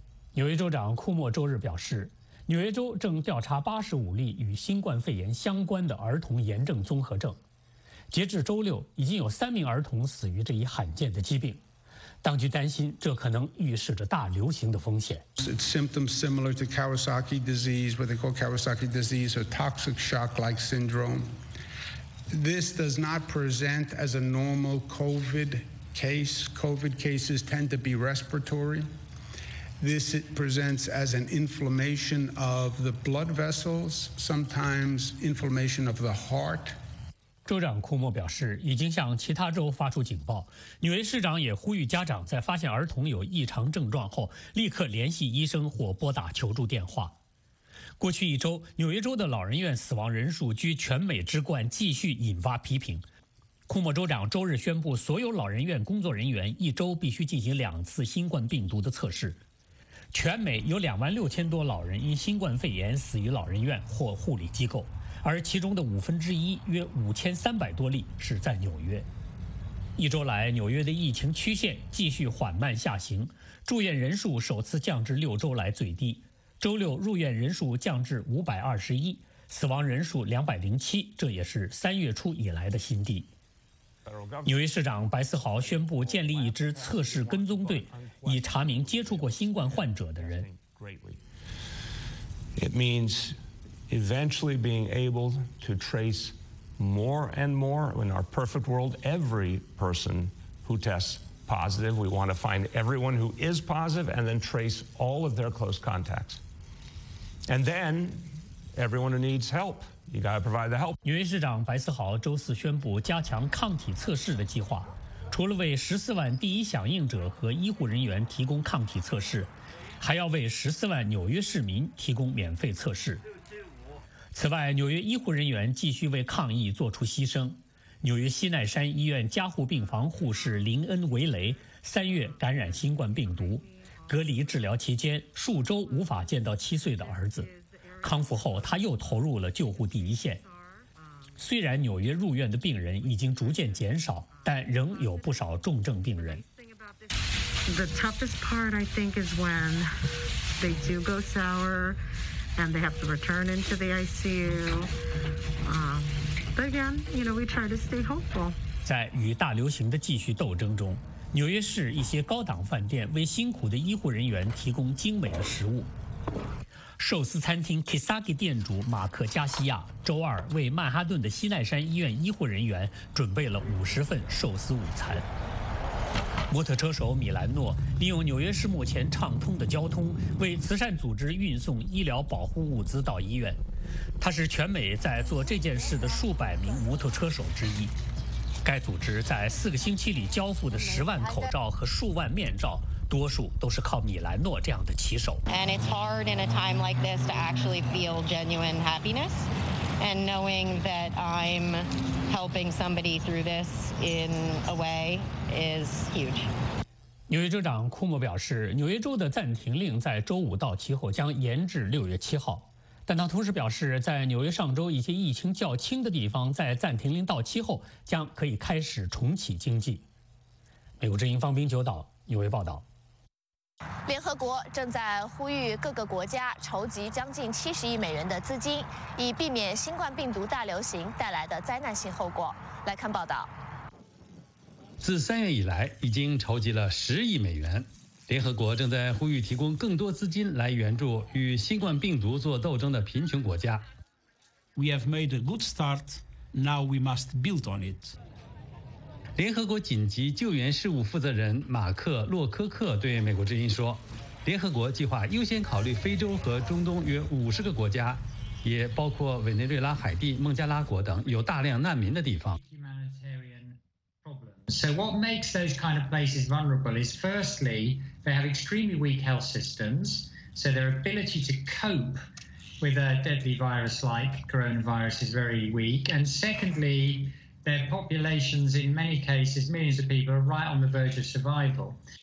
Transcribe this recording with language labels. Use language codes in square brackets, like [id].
[zh] 纽约州长库莫周日表示，纽约州正调查85例与新冠肺炎相关的儿童炎症综合症。截至周六，已经有3名儿童死于这一罕见的疾病。当局担心，这可能预示着大流行的风险。 [en] It's symptoms similar to Kawasaki disease, what they call Kawasaki disease, or toxic shock-like syndrome. This does not present as a normal COVID case. COVID cases tend to be respiratory. This presents as an inflammation of the blood vessels, sometimes inflammation of the heart. [zh] 州长库莫表示，已经向其他州发出警报。纽约市长也呼吁家长在发现儿童有异常症状后，立刻联系医生或拨打求助电话。过去一周，纽约州的老人院死亡人数居全美之冠，继续引发批评。库莫州长周日宣布，所有老人院工作人员一周必须进行两次新冠病毒的测试。全美有26000多老人因新冠肺炎死于老人院或护理机构，而其中的五分之一，约5300多例是在纽约。一周来，纽约的疫情曲线继续缓慢下行，住院人数首次降至6周来最低。周六入院人数降至521，死亡人数207，这也是3月初以来的新低。纽约市长白思豪宣布建立一支测试跟踪队，以查明接触过新冠患者的人。 [en] It means eventually being able to trace more and more. In our perfect world, every person who tests positive, we want to find everyone who is positive and then trace all of their close contacts. And then everyone who needs help. [zh] 纽约市长白思豪周四宣布加强抗体测试的计划，除了为14万第一响应者和医护人员提供抗体测试，还要为14万纽约市民提供免费测试。此外，纽约医护人员继续为抗疫做出牺牲。纽约西奈山医院加护病房护士林恩·维雷3月感染新冠病毒，隔离治疗期间数周无法见到7岁的儿子。康复后，他又投入了救护第一线。虽然纽约入院的病人已经逐渐减少，但仍有不少重症病人。 [en] The toughest part, I think, is when they do go sour and they have to return into the ICU. But again, you know, we try to stay hopeful. [zh] 在与大流行的继续斗争中，纽约市一些高档饭店为辛苦的医护人员提供精美的食物。寿司餐厅 Kisaki 店主马克·加西亚周二为曼哈顿的西奈山医院医护人员准备了50份寿司午餐。摩托车手米兰诺利用纽约市目前畅通的交通为慈善组织运送医疗保护物资到医院，他是全美在做这件事的数百名摩托车手之一。该组织在4个星期里交付的10万口罩和数万面罩，多数都是靠米兰诺这样的骑手。 [en] And it's hard in a time like this to actually feel genuine happiness. And knowing that I'm helping somebody through this in a way is huge. [zh] 纽约州长库莫表示，纽约州的暂停令在周五到期后将延至6月7号。但他同时表示，在纽约上周一些疫情较轻的地方，在暂停令到期后将可以开始重启经济。美国之音方冰九岛纽约报道。联合国正在呼吁各个国家筹集将近70亿美元的资金，以避免新冠病毒大流行带来的灾难性后果。来看报道。自3月以来，已经筹集了10亿美元。联合国正在呼吁提供更多资金来援助与新冠病毒做斗争的贫穷国家。 [en] We have made a good start. Now we must build on it. [zh] 联合国紧急救援事务负责人马克·洛科克对美国之音说，联合国计划优先考虑非洲和中东约50个国家，也包括委内瑞拉、海地、孟加拉国等有大量难民的地方。 [en] So what makes those kind of places vulnerable is, firstly, they have extremely weak health systems, so their ability to cope with a deadly virus like coronavirus is very weak. And secondly, their populations, in many cases, millions of people, are right on the verge of survival.